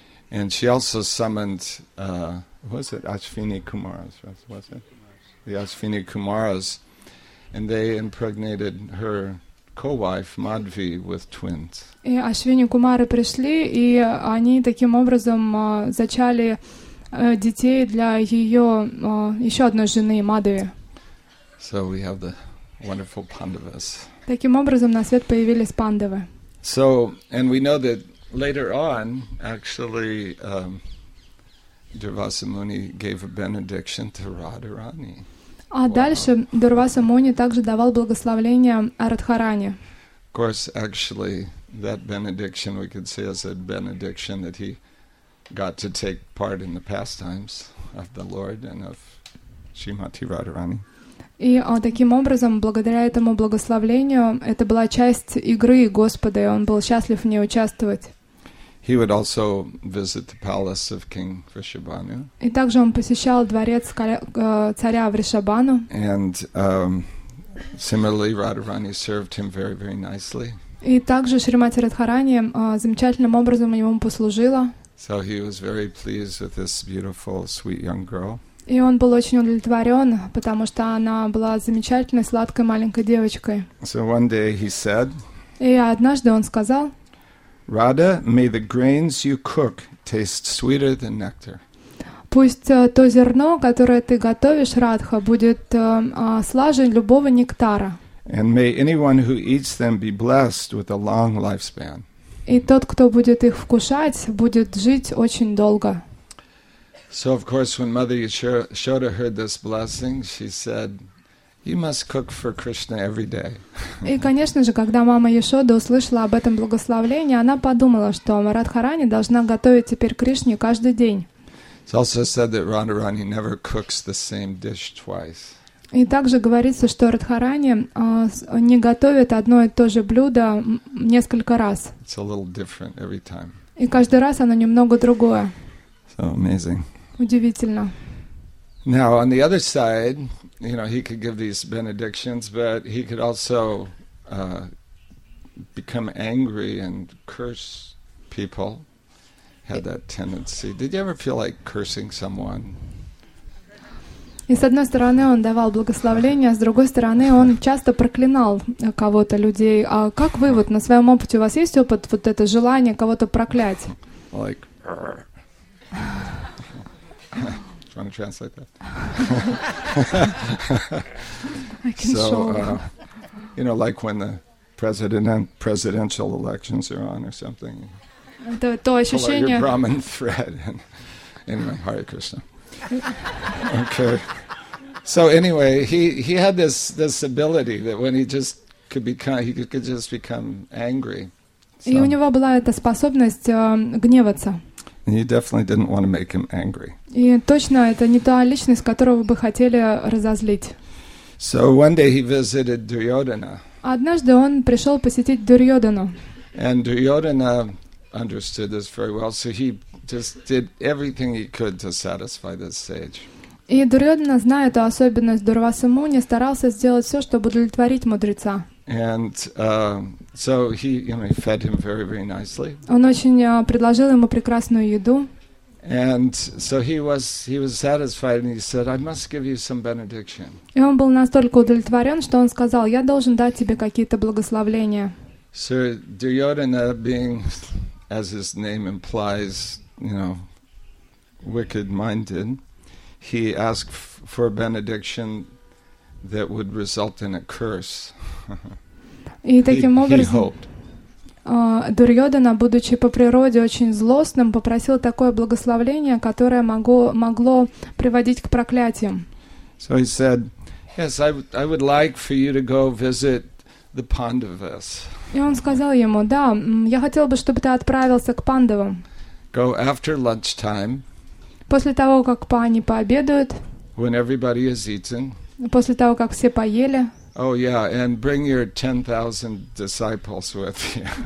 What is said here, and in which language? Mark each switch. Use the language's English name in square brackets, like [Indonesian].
[English] And she also summoned, was it Ashvini Kumaras? Was it the Ashvini Kumaras? And they impregnated her co-wife Madhvi with twins. [Russian] И Ашвини Кумары пришли, и они таким образом зачали детей для ее еще одной жены Мадхви. [English] So we have the wonderful Pandavas. [Russian] Таким образом на свет появились Пандавы. [English] So and we know that later on, actually, Durvasa Muni gave a benediction to Radharani. А wow. [Russian] Дальше Дурваса Муни также давал благословение Радхарани. [English] Of course, actually, that benediction we could say is a benediction that he got to take part in the pastimes of the Lord and of Shrimati Radharani. [Russian] И таким образом, благодаря этому благословению, это была часть игры Господа, и он был счастлив в ней участвовать. [English] He would also visit the palace of King Vrishabhanu. [Russian] И также он посещал дворец царя Вришабану. [English] And similarly, Radharani served him very, very nicely. [Russian] И также Шримати Радхарани замечательным образом ему послужила. [English] So he was very pleased with this beautiful, sweet young girl. [Russian] И он был очень удовлетворен, потому что она была замечательной, сладкой маленькой девочкой. [English] So one day he said. [Russian] И однажды он сказал. [English] Radha, may the grains you cook taste sweeter than nectar. [Russian] Пусть то зерно, которое ты готовишь, Радха, будет слаже любого нектара. [English] And may anyone who eats them be blessed with a long lifespan. [Russian] И тот, кто будет их вкушать, будет жить очень долго. [English] So of course, when Mother Yashoda heard this blessing, she said, "You must cook for Krishna every day." [Russian] И, конечно же, когда мама Яшода услышала об этом благословении, она подумала, что Радхарани должна готовить теперь Кришне каждый день. [English] It's also said that Radharani never cooks the same dish twice. [Russian] И также говорится, что Радхарани не готовит одно и то же блюдо несколько раз. [English] It's a little different every time. [Russian] И каждый раз оно немного другое. [English] So amazing. [Russian] Удивительно. [English] Now on the other side. You know, he could give these benedictions, but he could also become angry and curse people. Had that tendency. Did you ever feel like cursing someone? [Russian] И с одной стороны он давал благословения, с другой стороны он часто проклинал кого-то людей. А как вы вот на своем опыте у вас есть опыт вот это желание кого-то проклять? [English] Like. Want to translate that? you know, like when the presidential elections are on or something. [Russian] то ощущение. [English] Pull out your Brahman thread and in my Hare Krishna. Okay. So anyway, he had this ability that when he just could become, he could just become angry. [Russian] И у него была эта способность гневаться. [English] And you definitely didn't want to make him angry. [Russian] И точно это не та личность, которого бы хотели разозлить. [English] So one day he visited Duryodhana. [Russian] Однажды он пришел посетить Дурьодхану. [English] And Duryodhana understood this very well, so he just did everything he could to satisfy this sage. [Russian] И Дурьодхана, зная эту особенность Дурвасы Муни, старался сделать все, чтобы удовлетворить мудреца. [English] And so he, you know, fed him very, very nicely. [Russian] Он очень предложил ему прекрасную еду. [English] And so he was satisfied, and he said, "I must give you some benediction." [Russian] И он был настолько удовлетворен, что он сказал: "Я должен дать тебе какие-то благословения." [English] So Duryodhana, being, as his name implies, you know, wicked-minded, he asked for a benediction that would result in a curse. He hoped. [Russian] Дурьодхана, будучи по природе очень злостным, попросил такое благословение, которое могло приводить к проклятиям. [English] So he said, "Yes, I would like for you to go visit the Pandavas." [Russian] И он сказал ему: "Да, я хотел бы, чтобы ты отправился к Пандавам." [English] Go after lunchtime. [Russian] После того, как они пообедают. [English] When everybody has eaten. [Russian] После того, как все поели. [English] Oh yeah, and bring your 10,000 disciples with you.